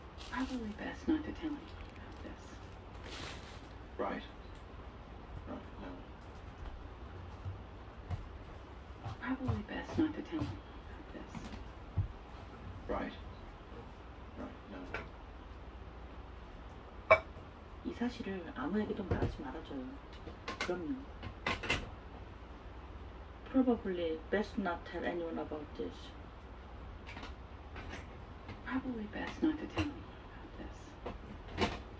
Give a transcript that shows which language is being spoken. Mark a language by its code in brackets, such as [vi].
[en] Probably best not to tell anyone about this. Right. Probably best not to tell anyone about this. Right. [ko] No. 이 사실을 아무에게도 말하지 말아줘요. 그럼요. [en] Probably best not to tell anyone about this. Probably best not to tell anyone about this.